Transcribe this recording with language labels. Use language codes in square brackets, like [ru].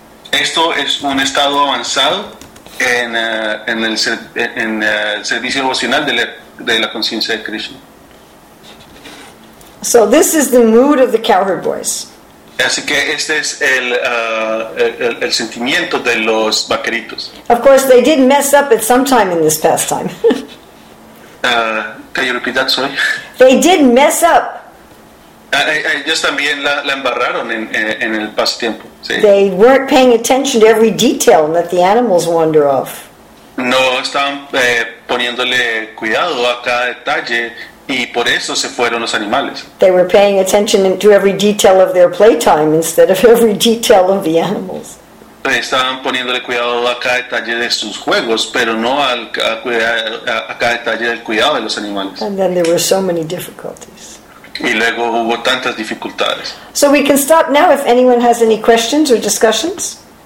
[es] Esto es un estado avanzado en el servicio devocional de la conciencia de Krishna. [en] So this is the mood of the cowherd boys. [es] Así que este es el sentimiento de los vaqueritos. [en] Of course, they did mess up at some time in this pastime. Can you repeat that, sorry? They did mess up. [es] Ellos también la embarraron en el pasatiempo. Sí. [en] They weren't paying attention to every detail that the animals wander off. [es] No estaban poniéndole cuidado a cada detalle y por eso se fueron los animales. [en] They were paying attention to every detail of their playtime instead of every detail of the animals. [es] Estaban poniéndole cuidado a cada detalle de sus juegos, pero no a cada detalle del cuidado de los animales. [en] And then there were so many difficulties. [es] Y luego hubo tantas dificultades. [en] So we can stop now if anyone has any questions or discussions.